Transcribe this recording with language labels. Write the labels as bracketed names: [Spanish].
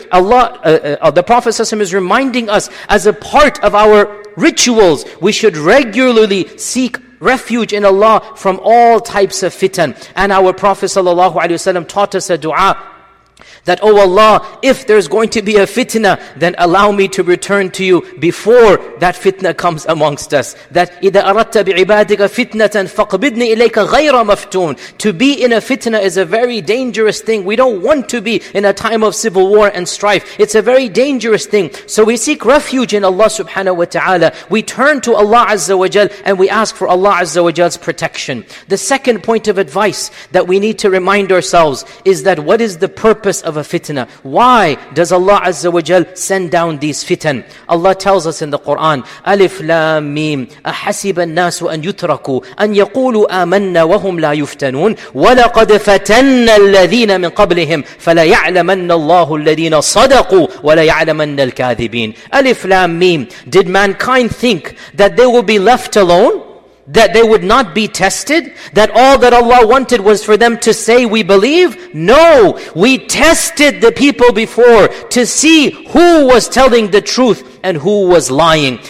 [English] Allah, the Prophet sallallahu alaihi wasallam is reminding us, as a part of our rituals, we should regularly seek refuge in Allah from all types of fitan. And our Prophet sallallahu alaihi wasallam taught us a dua that, oh Allah, if there's going to be a fitna, then allow me to return to you before that fitna comes amongst us. [Arabic] That إِذَا أَرَدْتَ بِعِبَادِكَ فِتْنَةً فَقْبِدْنِي إِلَيْكَ غَيْرَ مَفْتُونَ. [English] To be in a fitna is a very dangerous thing. We don't want to be in a time of civil war and strife. It's a very dangerous thing. So we seek refuge in Allah subhanahu wa ta'ala. We turn to Allah azza wa jal and we ask for Allah azza wa jal's protection. The second point of advice that we need to remind ourselves is that what is the purpose of a fitna? Why does Allah Azza wa Jal send down these fitan? [Arabic] Allah tells us in the Quran, Alif Lam Mim, أَحَسِبَ النَّاسُ أَن يُتْرَكُوا أَن يَقُولُوا آمَنَّا وَهُمْ لَا يُفْتَنُونَ وَلَقَدْ فَتَنَّ الَّذِينَ مِنْ قَبْلِهِمْ فَلَيَعْلَمَنَّ اللَّهُ الَّذِينَ صَدَقُوا وَلَيَعْلَمَنَّ الْكَاذِبِينَ. [English] Alif Lam Mim, did mankind think that they will be left alone? That they would not be tested? That all that Allah wanted was for them to say we believe? No! We tested the people before to see who was telling the truth and who was lying.